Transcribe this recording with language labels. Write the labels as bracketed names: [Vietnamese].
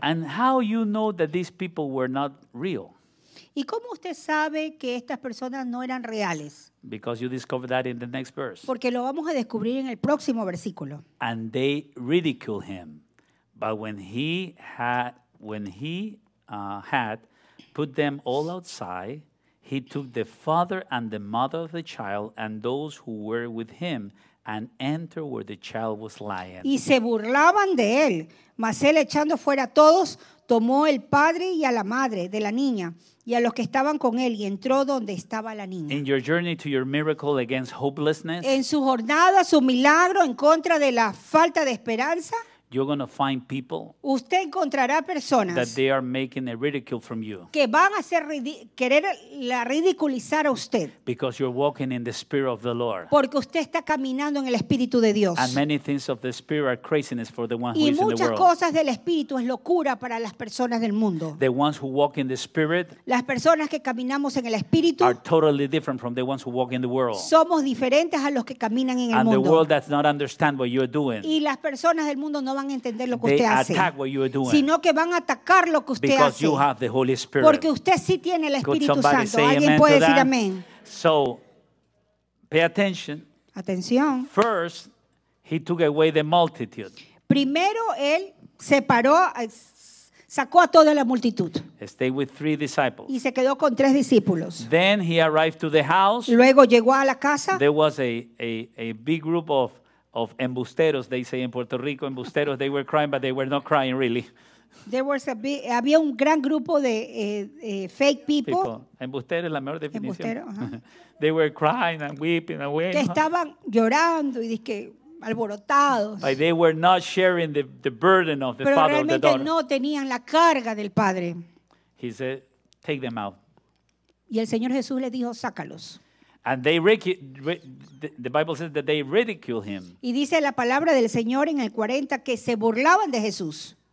[English] And how you know that these people were not real? [Spanish] ¿Y cómo usted sabe que estas personas no eran reales? [English] Because you discover that in the next verse. [Spanish] Porque lo vamos a descubrir en el próximo versículo. [English] And they ridiculed him, but when he had put them all outside, he took the father and the mother of the child and those who were with him and entered where the child was lying. [Spanish] Y se burlaban de él, mas él echando fuera a todos, tomó el padre y a la madre de la niña y a los que estaban con él y entró donde estaba la niña. [English] In your journey to your miracle against hopelessness, [Spanish] en su jornada, su milagro en contra de la falta de esperanza, [English] you're going to find people, [Spanish] usted encontrará personas, [English] that they are making a ridicule from you, [Spanish] que van a hacer querer la ridiculizar a usted, [English] because you're walking in the spirit of the Lord, [Spanish] porque usted está caminando en el espíritu de Dios, [English] and many things of the spirit are craziness for the one who is in the world, [Spanish] y muchas cosas del espíritu es locura para las personas del mundo. [English] The ones who walk in the spirit, [Spanish] las personas que caminamos en el espíritu, [English] are totally different from the ones who walk in the world, [Spanish] somos diferentes a los que caminan en el mundo, [English] and the world does not understand what you're doing, [Spanish] y las personas del mundo no van a entender lo que [English] they [Spanish] usted hace, [English] attack what you are doing, [Spanish] sino que van a atacar lo que usted [English] because [Spanish] hace, [English] you have the Holy Spirit, [Spanish] porque usted sí tiene el Espíritu Santo. ¿Alguien puede decir amén? [English] So, pay attention. [Spanish] Atención. [English] First, he took away the multitude. [Spanish] Primero, él separó, sacó a toda la multitud. [English] Stay with three disciples. [Spanish] Y se quedó con tres discípulos. [English] Then he arrived to the house. [Spanish] Luego llegó a la casa. [English] There was a big group of embusteros, they say in Puerto Rico, embusteros, they were crying, but they were not crying really. There was [Spanish] había un gran grupo de [English] fake people. [Spanish] Embusteros, la mejor definición. Embustero, [English] uh-huh. They were crying and weeping and wailing. [Spanish] Que estaban llorando y dizque alborotados. [English] But they were not sharing the burden of the [Spanish] pero [English] father and the daughter. [Spanish] Pero realmente no tenían la carga del padre. [English] He said, take them out. [Spanish] Y el Señor Jesús le dijo, sácalos. [English] And they the Bible says that they ridicule him. [Spanish] Y dice la palabra del Señor en el 40 que se burlaban de Jesús.